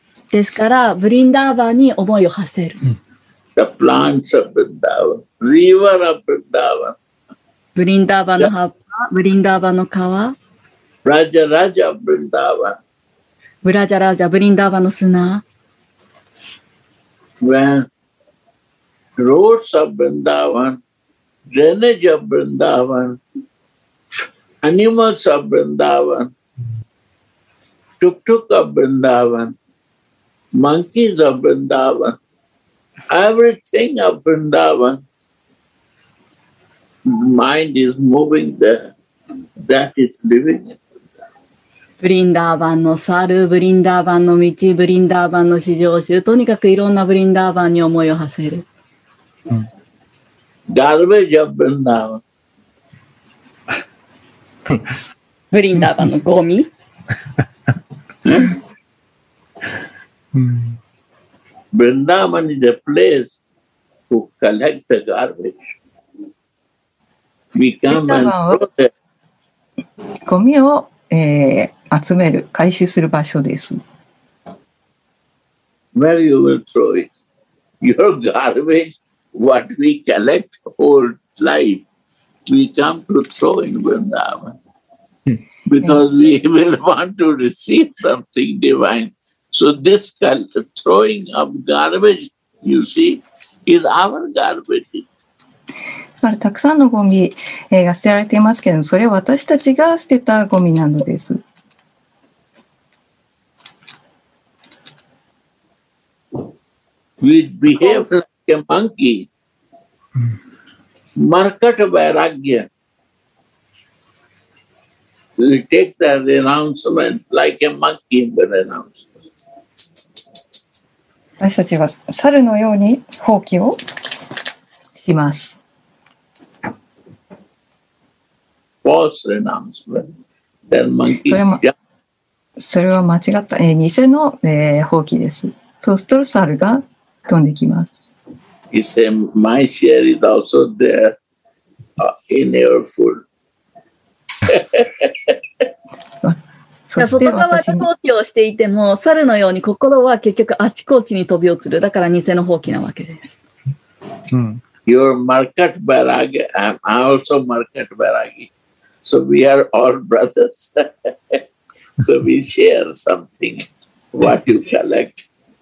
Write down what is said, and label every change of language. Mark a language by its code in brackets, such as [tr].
[ja] ですから、ブリンダーバーに思いを馳せる。 [en] The plants of Vrindavan, river of Vrindavan. [ja] ブリンダーバーの葉っぱ、ブリンダーバーの川。ラジャラジャ、ブリンダーバー。ブラジャラジャ、ブリンダーバーの砂。 [en] When roads of Vrindavan, drainage of Vrindavan, animals of Vrindavan, tuk-tuk of Vrindavan,Monkeys of Vrindavan, everything of Vrindavan, mind is moving there, that is living in [ja] Vrindavan. Vrindavan の猿、Vrindavan の道、Vrindavan の四条宗、とにかくいろんなVrindavanに思いを馳せる。 [en] Garbage of Vrindavan. [ja] Vrindavan のゴミ。 [en] Vrindavan is a place to collect the garbage. We come and go there. [ja] ゴミを、集める、回収する場所です。 [en] Where you will throw it? Your garbage, what we collect whole life, we come to throw in Vrindavan. Because we will want to receive something divine. So this throwing of garbage, you see, is our garbage. [ja] だからたくさんのゴミ、が捨てられていますけれども、それは私たちが捨てたゴミなのです。 [en] We behave like a monkey. Market vairagya. We take the renouncement like a monkey in the renouncement. [ja] 私たちは猿のように放棄をします。 [en] False renouncement. [ja] それは間違った、偽の、放棄です。そうすると猿が飛んできます。 [en] He said, My share is also there、in your food. [ja] そして外側で放棄をしていても猿のように心は結局あちこちに飛び移る。だから偽の放棄なわけです。 [en] Your market bairagi, I'm also market bairagi. So we are all brothers. So we share something what you collect.